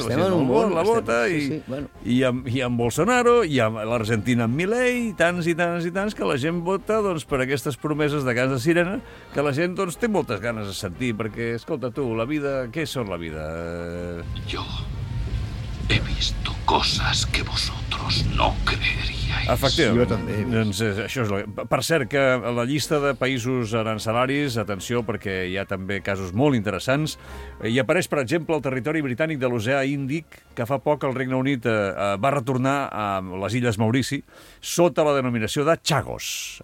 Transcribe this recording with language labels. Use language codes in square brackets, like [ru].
[ca] estem la gent en món, la vota, i amb Bolsonaro, i amb l'Argentina amb Milei, tants i tants, que la gent vota per aquestes promeses de cants de sirena, que la gent té moltes ganes de sentir, perquè, escolta tu, la vida, què són la vida? Jo [es] he visto cosas que vosotros no creeríais. [ca] Efectivament. Jo també. Doncs, això és la... Per cert, que la llista de països arancelaris, atenció, perquè hi ha també casos molt interessants, hi apareix, per exemple, el territori britànic de l'oceà Índic, que fa poc el Regne Unit va retornar a les illes Maurici sota la denominació de Chagos.